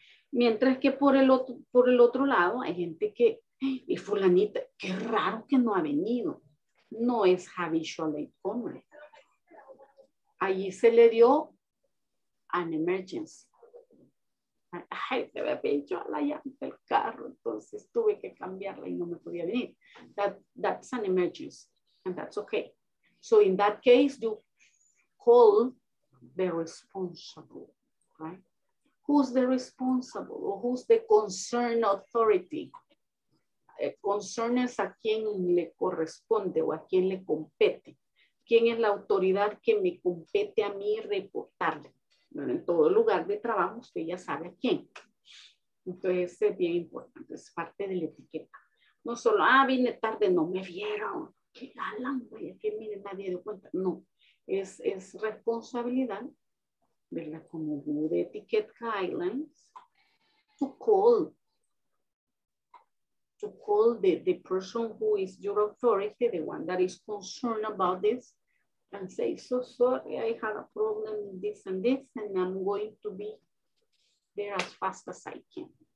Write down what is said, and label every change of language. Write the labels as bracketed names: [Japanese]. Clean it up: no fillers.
[Spanish] Mientras que por el otro lado hay gente que, y fulanita, qué raro que no ha venido. No es habitual latecomers. Allí se le dio [English] an emergency. [Spanish] Ay, se me pinchó la llanta del carro, entonces tuve que cambiarla y no me podía venir. [English] That's an emergency. And that's okay. So in that case, you call the responsible, right? Who's the responsible? Or who's the concern authority? [Spanish] Concern es a quien le corresponde o a quien le compete. ¿Quién es la autoridad que me compete a mí reportarle? Bueno, en todo lugar de trabajo, usted ya sabe a quién. Entonces, es bien importante. Es parte de la etiqueta. No solo, vine tarde, no me vieron. Qué galán, güey, que mire, nadie dio cuenta. No, es responsabilidad, ¿verdad? [English] Como good etiquette guidelines, to call the person who is your authority, the one that is concerned about this, and say, so sorry, I had a problem with this and this, and I'm going to be there as fast as I can.